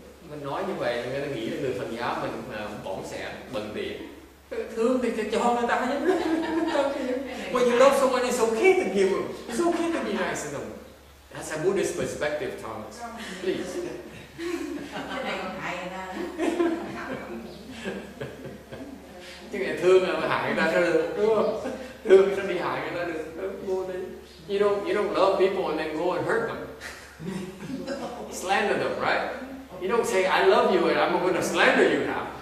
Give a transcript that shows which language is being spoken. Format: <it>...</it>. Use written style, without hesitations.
<vi>Mình nói như vậy người ta nghĩ là người Phật giáo mình bỏng sẻn, bần tiện, thương thì cho người ta nhé.</vi> <en>When you love someone, it's okay to give them, it's okay to be nice to them. That's a Buddhist perspective, Thomas. Please.</en> <vi>Cái này còn hại người ta. Chứ người thương là hại người ta sao được, đúng không? Thương sao bị hại người ta được?</vi> <en>You don't love people and then go and hurt them. Slander them, right? You don't say, I love you and I'm going to slander you now.</en>